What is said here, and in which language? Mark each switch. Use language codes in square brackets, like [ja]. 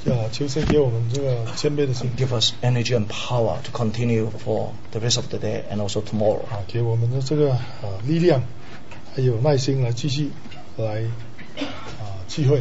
[zh] 求神给我们这个谦卑的心。 [en] Give us energy and power to continue for the rest of the day and also tomorrow. [zh] 给我们的这个力量，还有耐心来继续来聚会。